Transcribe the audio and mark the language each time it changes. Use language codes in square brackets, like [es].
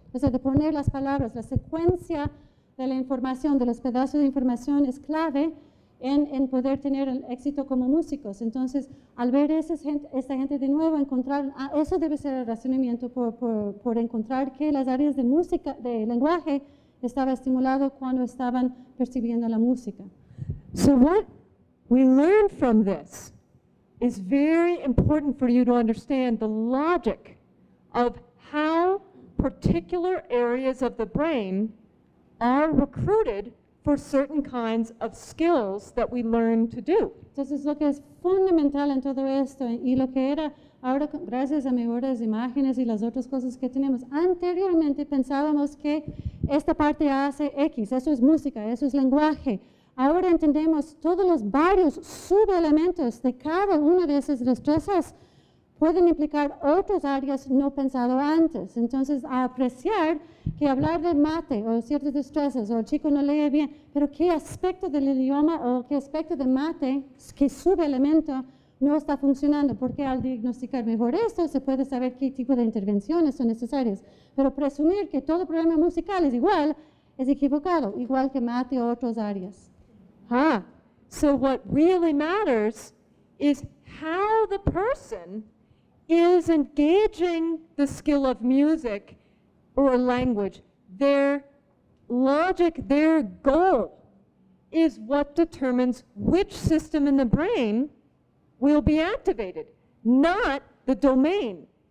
[es] O sea, de poner las palabras, la secuencia de la información, de los pedazos de información es clave en poder tener el éxito como músicos. Entonces, al ver esta gente de nuevo, encontrar, eso debe ser el razonamiento por encontrar que las áreas de música, de lenguaje, estaba estimulado cuando estaban percibiendo la música. [en] So what we learned from this is very important for you to understand the logic of how particular areas of the brain are recruited for certain kinds of skills that we learn to do. [es] Entonces lo que es fundamental en todo esto y lo que era ahora gracias a mejores imágenes y las otras cosas que tenemos, anteriormente pensábamos que esta parte hace X, eso es música, eso es lenguaje. Ahora entendemos todos los varios subelementos de cada una de esas destrezas pueden implicar otras áreas no pensado antes. Entonces, apreciar que hablar de mate o ciertas destrezas o el chico no lee bien, pero qué aspecto del idioma o qué aspecto de mate, qué subelemento no está funcionando, porque al diagnosticar mejor esto, se puede saber qué tipo de intervenciones son necesarias. Pero presumir que todo problema musical es igual, es equivocado, igual que mate o otras áreas. [en] Ah, so what really matters is how the person is engaging the skill of music or language. Their logic, their goal, is what determines which system in the brain will be activated, not the domain.